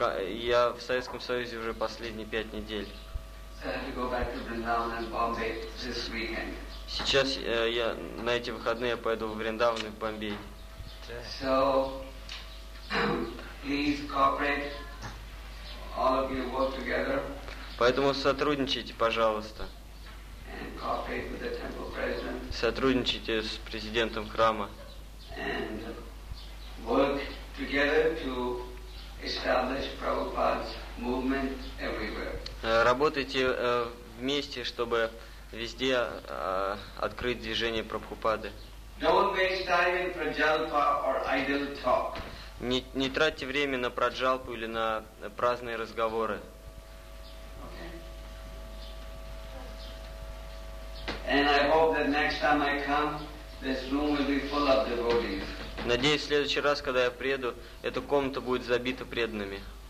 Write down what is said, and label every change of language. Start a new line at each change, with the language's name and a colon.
Russian: Я в Советском Союзе уже последние 5 недель.
English: So I have to go back to Vrindavan and Bombay this weekend.
Russian: Сейчас я на эти выходные пойду в Вриндаван и в Бомбей.
English: So, please cooperate, all of you work together.
Russian: Поэтому сотрудничайте, пожалуйста.
English: And cooperate with the temple president.
Russian: Сотрудничайте с президентом храма.
English: And work together to establish Prabhupada's movement everywhere.
Russian: Работайте вместе, чтобы везде открыть движение Прабхупады.
English: Don't waste time in праджалпа or idle talk.
Russian: Не тратьте время на праджалпу или на праздные разговоры.
English: Okay. And I hope that next time I come, this room will be full of devotees.
Russian: Надеюсь, в следующий раз, когда я приеду, эта комната будет забита преданными.